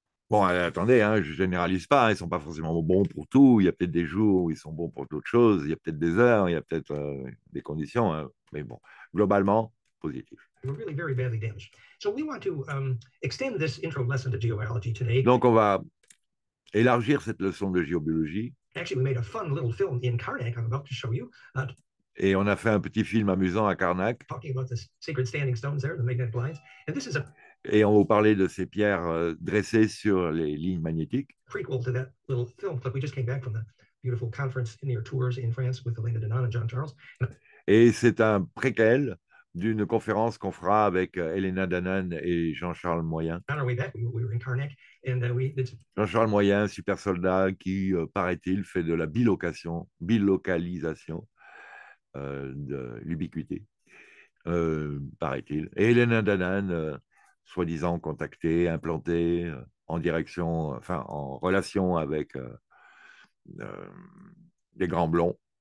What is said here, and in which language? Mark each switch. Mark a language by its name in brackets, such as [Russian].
[French] Bon, attendez, hein, je ne généralise pas, hein, ils ne sont pas forcément bons pour tout. Il y a peut-être des jours où ils sont bons pour d'autres choses, il y a peut-être des heures, il y a peut-être des conditions, hein, mais bon, globalement, positif. [English] We're really very badly damaged. So we want to extend this intro lesson to geobiology today. [French] Donc, on va élargir cette leçon de géobiologie. [English] Actually, we made a fun little film in Karnak I'm about to show you. [French] Et on a fait un petit film amusant à Karnak. [English] Talking about the sacred standing stones there, the magnetic lines. And this is a [French] Et on va vous parler de ces pierres dressées sur les lignes magnétiques. [English] prequel to that little film clip. We just came back from the beautiful conference near Tours in France with Elena Denon and John Charles. [French] Et c'est un préquel d'une conférence qu'on fera avec Elena Danan et Jean-Charles Moyen. [English] On our way back, we were in Karnak, and we did [French] Jean-Charles Moyen, super soldat qui, paraît-il, fait de la bilocalisation de l'ubiquité, paraît-il. Et Elena Danan, soi-disant contactée, implantée en direction, enfin en relation avec des grands blonds.